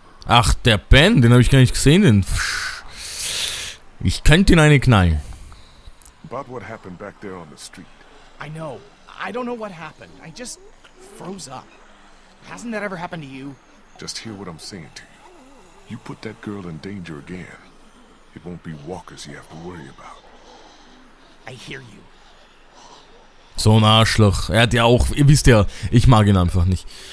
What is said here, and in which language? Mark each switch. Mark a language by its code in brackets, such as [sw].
[de] Ach, der Ben, den habe ich gar nicht gesehen. Ich könnte ihn eine knallen. [en] About what happened back there on the street? I know. I don't know what happened. I just froze up. Hasn't that ever happened to you? Just hear what I'm saying to you. You put that girl in danger again. It won't be walkers you have to worry about. I hear you. [de] So ein Arschloch. Er hat ja auch, ihr wisst ja, ich mag ihn einfach nicht.